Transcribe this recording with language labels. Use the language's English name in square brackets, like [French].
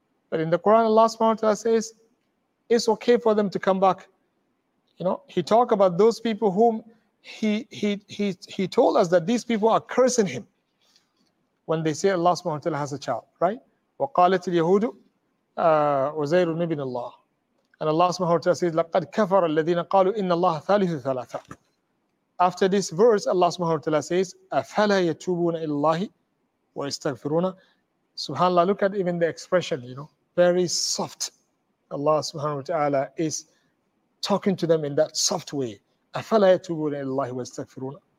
[English] But in the Quran, Allah subhanahu wa ta'ala says, it's okay for them to come back. You know, he talked about those people whom he told us that these people are cursing him when they say Allah subhanahu wa ta'ala has a child, right? [Arabic] وَقَالَتِ الْيَهُودُ وَزَيْرٌ مِبْنِ اللَّهِ. [English] And Allah subhanahu wa ta'ala says, [Arabic] لَقَدْ كَفَرَ الَّذِينَ قَالُوا إِنَّ اللَّهَ ثَالِثُ ثَلَاثًا. [English] After this verse, Allah subhanahu wa ta'ala says, [Arabic] أَفَلَا يَتُوبُونَ إِلَى اللَّهِ وَيَسْتَغْفِرُونَ. [English] SubhanAllah, look at even the expression, you know, very soft. Allah subhanahu wa ta'ala is talking to them in that soft way. [Arabic] أَفَلَا يَتُوبُونَ إِلَى اللَّهِ وَيَسْتَغْفِرُونَ.